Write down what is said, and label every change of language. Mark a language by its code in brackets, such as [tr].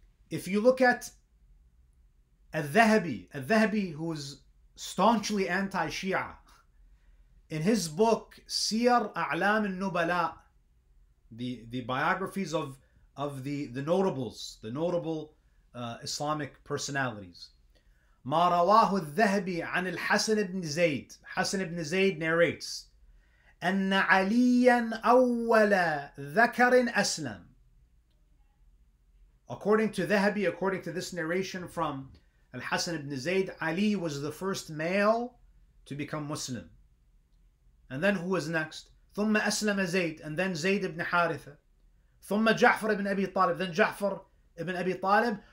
[en] If you look at Al-Dhahabi, who is staunchly anti-Shia, in his book, Sir A'lam al-Nubala, the biographies of the notables, the notable Islamic personalities, [ar] مَا رَوَاهُ الذَّهَبِي عَنِ الْحَسَنِ بْنِ زَيْدِ [en] Hassan ibn Zayd narrates, [ar] أَنَّ عَلِيًّا أَوَّلَ ذَكَرٍ أَسْلَمٍ. [en] According to Dhahabi, according to this narration from Al-Hasan ibn Zayd, Ali was the first male to become Muslim. And then who was next? [ar] ثُمَّ أَسْلَمَ زَيْدٍ [en] And then Zayd ibn Haritha. [ar] ثُمَّ جَعْفَرَ [en] ibn Abi Talib. Then Ja'far ibn Abi Talib.